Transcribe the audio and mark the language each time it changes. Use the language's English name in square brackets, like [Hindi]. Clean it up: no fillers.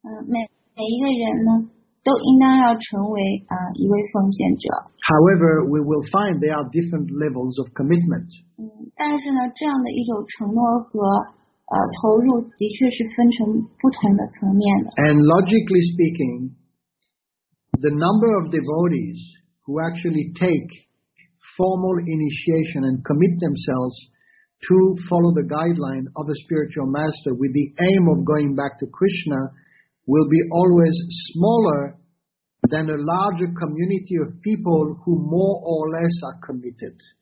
[Chinese] 每一个人呢都应当要成为一位奉献者。 [English] However, we will find there are different levels of commitment. [Chinese] 但是呢，这样的一种承诺和投入的确是分成不同的层面的。 [English] And logically speaking, the number of devotees who actually take formal initiation and commit themselves to follow the guideline of a spiritual master with the aim of going back to Krishna will be always smaller than a larger community of people who more or less are committed.